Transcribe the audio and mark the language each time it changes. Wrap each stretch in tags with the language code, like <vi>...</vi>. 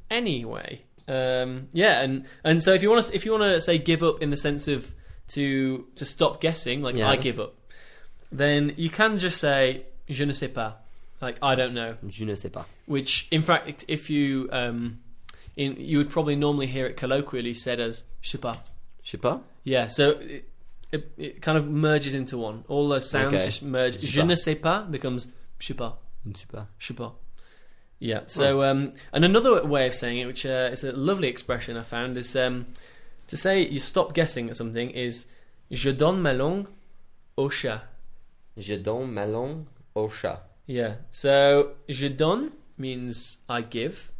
<en>anyway, and so if you want to say give up in the sense of to stop guessing, like I give up, then you can just say</en> <fr>je ne sais pas,</fr> <en>like I don't know.</en> <fr>Je ne sais pas.</fr> <en>Which, in fact, if you you would probably normally hear it colloquially said as</en> <fr>je sais pas. Je sais pas.</fr> <en>Yeah. So it kind of merges into one. All those sounds just merge.</en> <fr>Je ne sais pas</fr> <en>becomes</en> <fr>je sais pas. Je ne sais pas. Je sais pas.</fr> <en>Yeah, so, and another way of saying it, which is a lovely expression I found, is to say you stop guessing at something is</en> <fr>je donne ma langue au chat. Je donne melon au chat.</fr> <en>Yeah. So,</en> <fr>je donne</fr> <en>means I give.</en>